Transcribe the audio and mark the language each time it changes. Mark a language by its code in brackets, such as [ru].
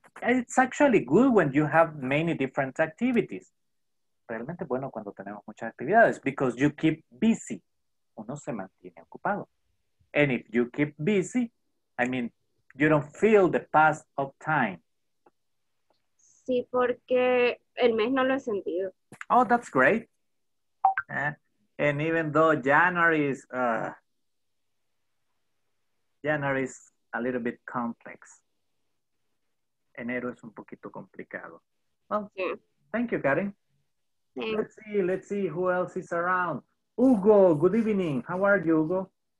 [en] it's actually good when you have many different activities. [es] Realmente bueno cuando tenemos muchas actividades, [en] because you keep busy. [es] Uno se mantiene ocupado. [en] And if you keep busy, I mean, you don't feel the pass of time. [es] Sí, porque el mes no lo he sentido. [en] Oh, that's great. And even though January is a little bit complex. [es] Enero es un poquito complicado. [en] Well, thank you, Karen. Thanks. Let's see who else is around. Hugo, good evening. How are you, Hugo?